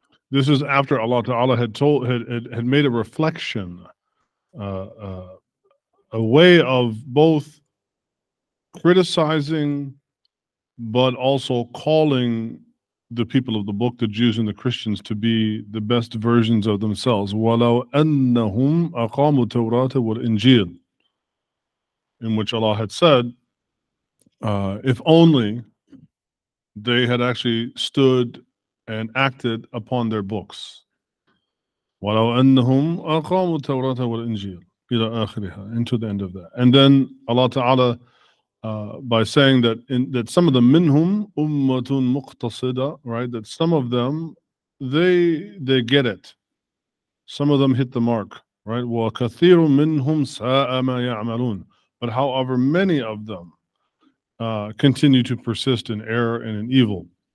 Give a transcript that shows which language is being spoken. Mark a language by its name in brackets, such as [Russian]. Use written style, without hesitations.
[English] This is after Allah Ta'ala had made a reflection, a way of both criticizing, but also calling the people of the book, the Jews and the Christians, to be the best versions of themselves. [Arabic] وَلَوْ أَنَّهُمْ أَقَامُوا التَّوْرَاةَ وَالْإِنْجِيلَ, [English] in which Allah had said, if only they had actually stood and acted upon their books. [Arabic] وَلَوْ أَنَّهُمْ أَقَامُوا التَّوْرَاةَ وَالْإِنْجِيلَ إِلَىٰ آخِرِهَا, [English] into the end of that. And then Allah Ta'ala, by saying that some of them, [Arabic] minhum ummatun muqtasida, [English] right, that some of them, they get it, some of them hit the mark, right, [Arabic] wa kathirun minhum sa'a ma ya'malun, [English] but however many of them continue to persist in error and in evil.